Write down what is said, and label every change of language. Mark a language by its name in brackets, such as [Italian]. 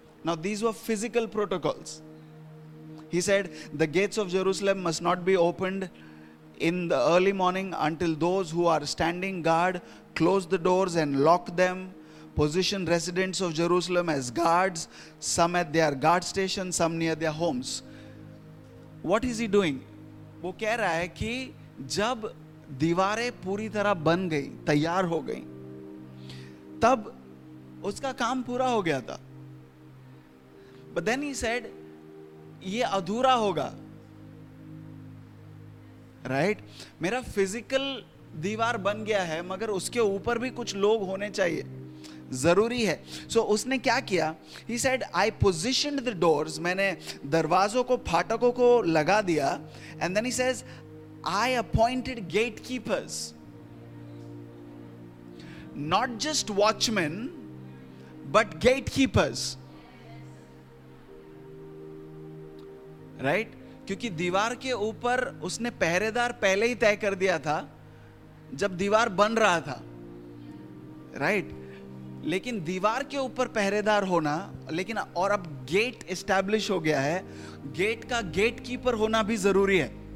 [English] Now these were physical protocols. He said, the gates of Jerusalem must not be opened in the early morning until those who are standing guard close the doors and lock them. Position residents of Jerusalem as guards, some at their guard station, some near their homes. What is he doing? [Hindi] Wo keh raha hai ki jab दीवारें पूरी तरह बन गई, तैयार हो गई, तब उसका काम पूरा हो गया था. [English] But then he said, [Hindi] ये अधूरा होगा, [English] right? [Hindi] मेरा फिजिकल दीवार बन गया है, मगर उसके ऊपर भी कुछ लोग होने चाहिए, जरूरी है. So उसने क्या किया? [English] He said, I positioned the doors, [Hindi] मैंने दरवाजों को, फाटकों को लगा दिया. [English] And then he says, I appointed gatekeepers, not just watchmen, but gatekeepers. Right? [Hindi] क्योंकि दीवार के ऊपर उसने पहरेदार पहले ही तय कर दिया था जब दीवार बन रहा था. [English] Right? [Hindi] लेकिन दीवार के ऊपर पहरेदार होना, लेकिन और अब गेट एस्टैब्लिश हो गया है, गेट का गेटकीपर होना भी जरूरी है.